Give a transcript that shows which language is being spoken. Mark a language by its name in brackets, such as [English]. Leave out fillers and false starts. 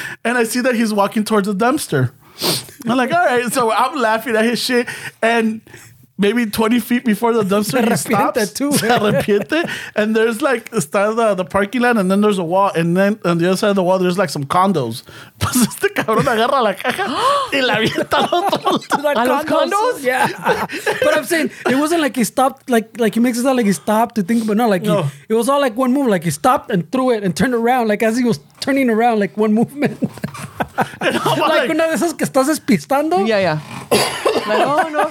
[English] And I see that he's walking towards the dumpster. I'm like, all right. So I'm laughing at his shit. And... maybe 20 feet before the dumpster, he stops. Too, [Spanish] se arrepiente. [English] And there's like the parking lot, and then there's a wall, and then on the other side of the wall, there's like some condos. [Spanish] Pues este cabrón agarra la caja y la avienta al otro lado. ¿A los condos? [English] Yeah. But I'm saying, it wasn't like he stopped, like he makes it sound like he stopped to think, but no, like it was all like one move. Like he stopped and threw it and turned around, like as he was turning around, like one movement. [Spanish] like una de esas que estás despistando. [English] Yeah, yeah. Like, oh, no,